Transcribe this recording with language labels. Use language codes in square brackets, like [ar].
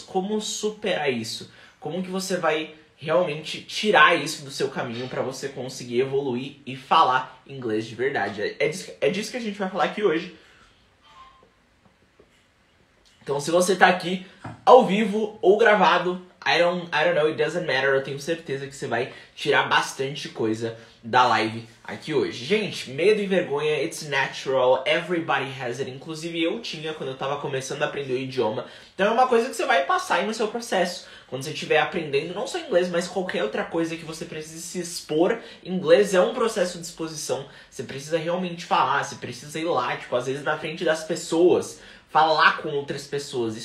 [pt] Como superar isso? Como que você vai realmente tirar isso do seu caminho para você conseguir evoluir e falar inglês de verdade? É disso que a gente vai falar aqui hoje. Então, se você tá aqui ao vivo ou gravado, [en] I don't know, it doesn't matter. [pt] Eu tenho certeza que você vai tirar bastante coisa da live aqui hoje. Gente, medo e vergonha, [en] it's natural, everybody has it. [pt] Inclusive, eu tinha quando eu tava começando a aprender o idioma. Então, é uma coisa que você vai passar aí no seu processo. Quando você estiver aprendendo, não só inglês, mas qualquer outra coisa que você precise se expor, inglês é um processo de exposição. Você precisa realmente falar, você precisa ir lá, tipo, às vezes na frente das pessoas, falar com outras pessoas.